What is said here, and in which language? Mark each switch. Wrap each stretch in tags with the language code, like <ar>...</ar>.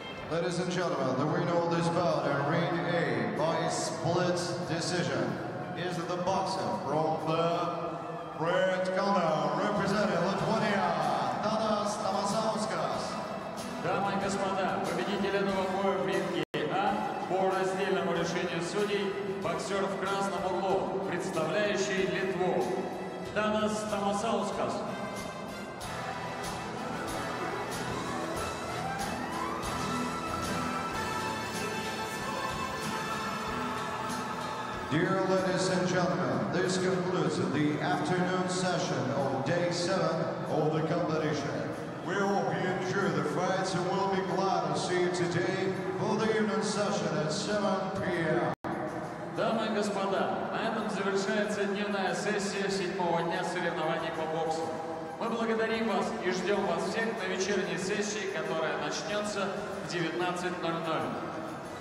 <en>Ladies and gentlemen, the winner of this bout in ring A by split decision is the boxer from the red corner, representing Lithuania, Tadas Tamasauskas.</en> <ru>Дамы и господа, победитель этого боя в ринге А по раздельному решению судей, боксер в красном углу, представляющий Литву, Тадас Тамасаускас.</ru> <en>Dear ladies and gentlemen, this concludes the afternoon session of day 7 of the competition. We hope you enjoy the fights and will be glad to see you today for the evening session at 7 p.m.</en> <ru>Дамы и господа, на этом завершается дневная сессия 7-го дня соревнований по боксу. Мы благодарим вас и ждем вас всех на вечерней сессии, которая начнется в 19:00.</ru>